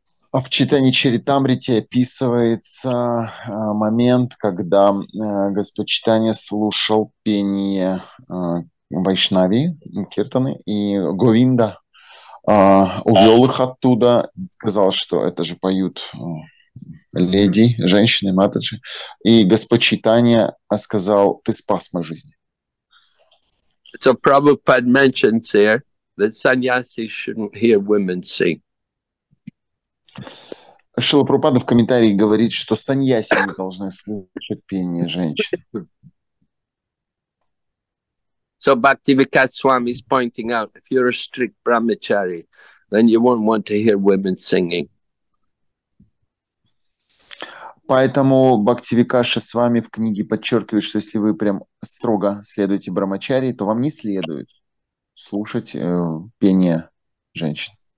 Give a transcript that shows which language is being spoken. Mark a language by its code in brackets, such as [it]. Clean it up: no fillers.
[ru] В Чайтанья Чаритамрите описывается момент, когда Господь Чайтанья слушал пение Вайшнави, киртаны, и Говинда увел их оттуда, сказал, что это же поют леди, женщины, матаджи. И Господь Чайтанья сказал, ты спас мою жизнь. [en] So Prabhupada mentions here that sannyasi shouldn't hear women sing. [ru] Шрила Прабхупада в комментарии говорит, что саньяси не должны слушать пение женщин. [en] So Bhaktivikas Swami is pointing out, if you're a strict brahmachari, then you won't want to hear women singing. [ru] Поэтому Бхактивикаша Свами в книге подчеркивает, что если вы прям строго следуете брамачари, то вам не следует слушать пение женщин.